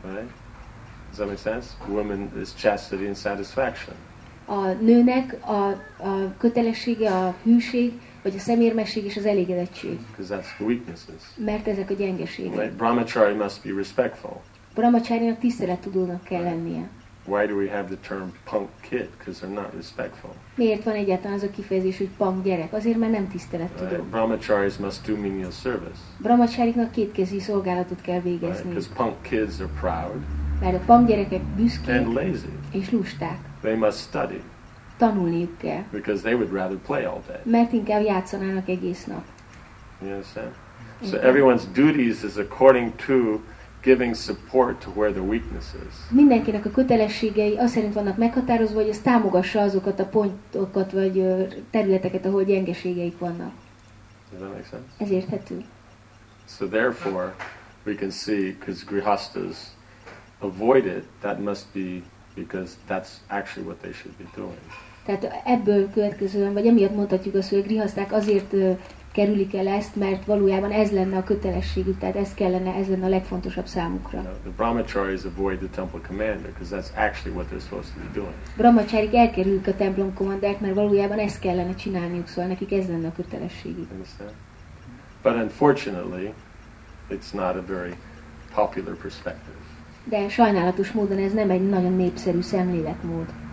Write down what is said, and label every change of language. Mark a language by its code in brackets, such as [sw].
[en] Right? Does that make sense? Woman is chastity and satisfaction. [hu] A nőnek a kötelessége a hűség, vagy a szemérmesség és az elégedettség. [en] Because that's the weaknesses. [hu] Mert ezek a gyengeségek. [en] Right. Brahmachari must be respectful. [hu] Brahmacharinak tiszteletudónak kell lennie. [en] Why do we have the term punk kid? Because they're not respectful. [hu] Miért van egyáltalán az a kifejezés, hogy punk gyerek? Azért, mert nem tiszteletudó. [en] Right. Brahmacharis must do menial service. [hu] Brahmachariknak kétkezi szolgálatot kell végezni. [en] Because right. Punk kids are proud. [hu] Mert a punk gyerekek büszkék. [en] And lazy. [hu] És lusták. [en] They must study. [hu] Tanulniuk kell. [en] Because they would rather play all day. [hu] Mert inkább játszanának egész nap. [en] You understand? So everyone's duties is according to giving support to where the weakness is. [hu] Mindenkinek a kötelességei az szerint vannak meghatározva, hogy ez támogassa azokat a pontokat vagy területeket, ahol gyengeségeik vannak. [en] Does that make sense? [hu] Ez érthető. [en] So therefore, we can see, because grihasthas avoid it, that must be because that's actually what they should be doing. [hu] Tehát ebből következően, vagy emiatt mondhatjuk azt, hogy a grihaszták azért kerülik el ezt, mert valójában ez lenne a kötelességük, tehát ez kellene, ez lenne a legfontosabb számukra. [en] You know, the brahmacharis avoid the temple commander, because that's actually what they're supposed to be doing. [hu] Brahmacharik elkerülik a templom kommandert, mert valójában ezt kellene csinálniuk, szóval nekik ez lenne a kötelességük. [en] But unfortunately, it's not a very popular perspective. [hu] De sajnálatos módon ez nem egy nagyon népszerű szemléletmód.